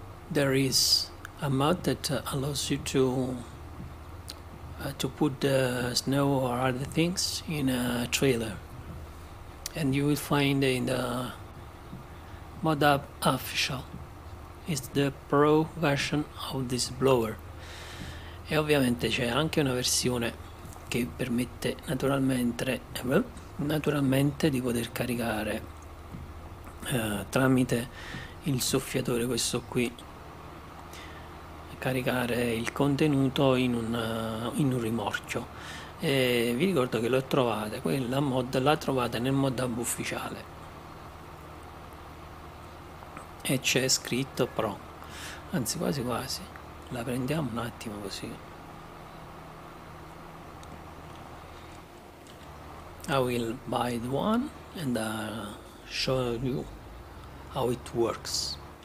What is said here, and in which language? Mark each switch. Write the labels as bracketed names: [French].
[English] There is a mod that allows you to put the snow or other things in a trailer. And you will find in the mod app official. It's the pro version of this blower. [Italian] E ovviamente c'è anche una versione che permette naturalmente di poter caricare tramite il soffiatore questo qui. Caricare il contenuto in un rimorchio. E vi ricordo che la trovate nel mod hub ufficiale e c'è scritto pro, anzi quasi la prendiamo un attimo così. [English] I will buy the one and show you how it works.